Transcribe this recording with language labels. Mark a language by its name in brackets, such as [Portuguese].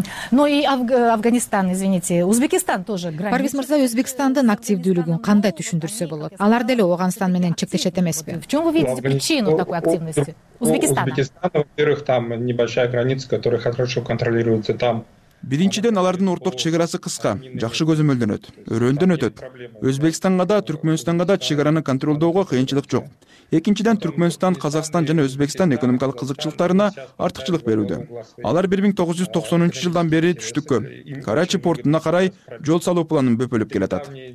[Russian] Ну и Афганистан, извините, Узбекистан тоже границ. [Kyrgyz] Парвиз мырза, Өзбекстандын активдүүлүгүн кандай түшүндүрсө болот? Алар деле Ооганстан менен чектешет эмеспи? [Russian] В чём вы видите причину такой активности? Узбекистан, во-первых, там небольшая граница, которая хорошо контролируется там. [Kyrgyz] Биринчиден алардын ортак чек арасы кыска, жакшы көзөмөлдөнөт, өрөндөн өтөт. Өзбекстанга да, Түркмөнстанга да чек араны контролдоого кыйынчылык жок. Экинчиден Түркмөнстан, Казакстан жана Өзбекстан экономикалык кызыкчылыктарына артыкчылык берүүдө. Алар 1990 жылдан бери түштүккө, Карачи портуна карай жол салуу планын бөпөлөп келатат.